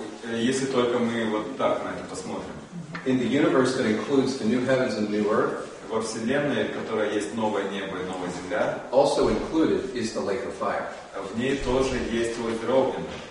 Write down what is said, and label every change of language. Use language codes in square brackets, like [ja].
[ru] если только мы вот так на это посмотрим, [en] in the universe that includes the new heavens and new earth, [ru] во вселенной, в которой есть новое небо и новая земля, [en] also included is the lake of fire. [ru] В ней тоже есть озеро огненное.